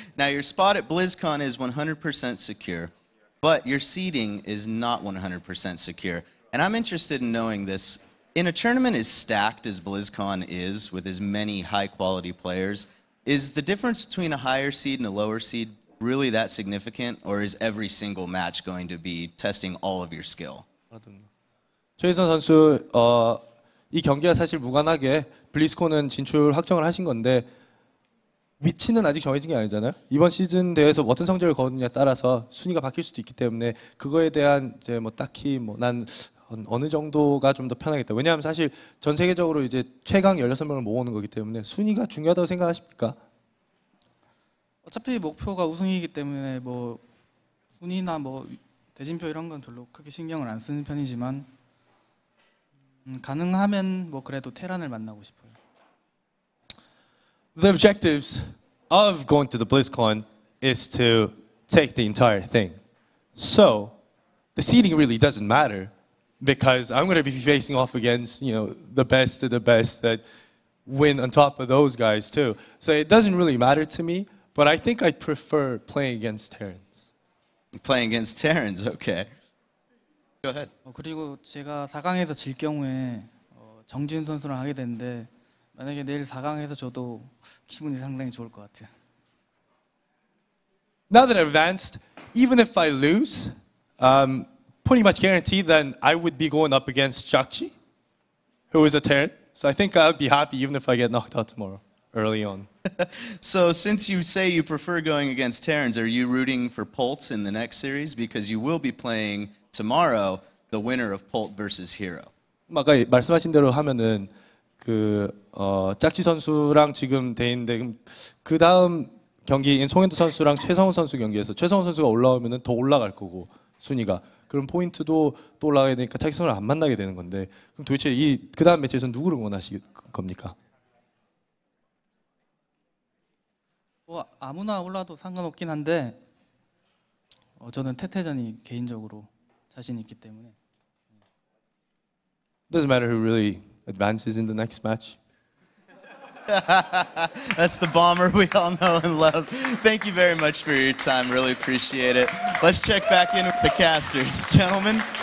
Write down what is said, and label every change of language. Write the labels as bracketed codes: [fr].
[en] Now your spot at BlizzCon is 100% secure, but your seeding is not 100% secure. And I'm interested in knowing this. In a tournament as stacked as BlizzCon is, with as many high-quality players, is the difference between a higher seed and a lower seed really that significant, or is every single match going to be testing all of your skill? [ko] 최인선 선수, 이 경기와 사실 무관하게 블리스콘은 진출 확정을 하신 건데 위치는 아직 정해진 게 아니잖아요. 이번 시즌 대회에서 어떤 성적을 거두느냐에 따라서 순위가 바뀔 수도 있기 때문에 그거에 대한 이제 뭐 딱히 뭐 난 어느 정도가 좀 더 편하겠다. 왜냐하면 사실 전 세계적으로 이제 최강 16명을 모으는 거기 때문에 순위가 중요하다고 생각하십니까? 어차피 목표가 우승이기 때문에 뭐 순위나 뭐 대진표 이런 건 별로 크게 신경을 안 쓰는 편이지만 가능하면 뭐 그래도 테란을 만나고 싶어요. [en] The objectives of going to the BlizzCon is to take the entire thing. So the seeding really doesn't matter because I'm going to be facing off against you know the best of the best that win on top of those guys too. So it doesn't really matter to me, but I think I'd prefer playing against Terrans. Playing against Terrans, okay. Go ahead. [ko] 그리고 제가 4강에서 질 경우에 정지훈 선수랑 하게 되는데 만약에 내일 4강에서 저도 기분이 상당히 좋을 것 같아요. [en] Now that I've advanced, even if I lose, pretty much guaranteed that I would be going up against Jakchi, who is a Terran. So I think I'd be happy even if I get knocked out tomorrow early on. So since you say you prefer going against Terrans, are you rooting for Pult in the next series because you will be playing tomorrow, the winner of Pult versus Hero. [ko] 아까 말씀하신 대로 하면은 그 짝지 선수랑 지금 돼 있는데 그 다음 경기인 송현도 선수랑 최성훈 선수 경기에서 최성훈 선수가 올라오면은 더 올라갈 거고 순위가 그럼 포인트도 또 올라가야 되니까 짝지 선수를 안 만나게 되는 건데 그럼 도대체 이 그 다음 매치에서 누구를 원하실 겁니까? 뭐 아무나 올라도 상관없긴 한데 저는 태태전이 개인적으로 자신 있기 때문에. [en] Doesn't matter who really advances in the next match. That's the bomber we all know and love. Thank you very much for your time. Really appreciate it. Let's check back in with the casters, gentlemen.